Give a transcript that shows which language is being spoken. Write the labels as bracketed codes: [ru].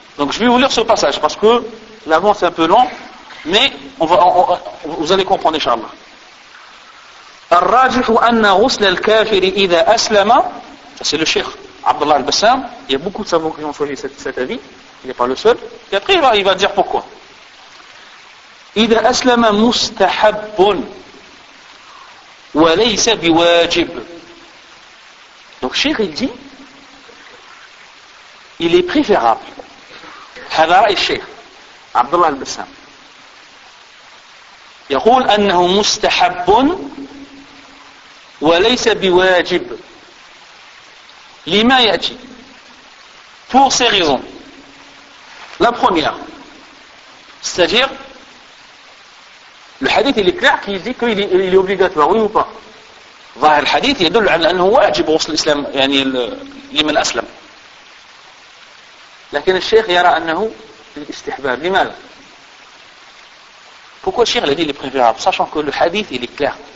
[fr] Donc je vais vous lire ce passage parce que l'avant c'est un peu long. Mais vous allez comprendre, inshallah. [ar] الراجح أن غسل الكافر إذا أسلم, [fr] ça c'est le Cheikh Abdallah al-Bassam, il y a beaucoup de savants qui ont choisi cet avis, il n'est pas le seul, et après il va dire pourquoi. [ar] إذا أسلم مستحب وليس بواجب. [fr] Donc Cheikh il dit, il est préférable. [ar] هذا رأي الشيخ عبد الله البسام. يقول أنه مستحب وليس بواجب. لما يأتي؟ [fr] Pour ces raisons. La première, c'est-à-dire, le hadith il est clair qu'il dit qu'il est obligatoire, oui ou pas. [ar] ظاهر الحديث يدل على أنه واجب وصل الإسلام يعني لمن أسلم. لكن الشيخ يرى أنه الاستحباب. لماذا؟ [fr] Pourquoi [ar] الشيخ الذي اللي بخير عبد [fr] sachant que le hadith il est clair.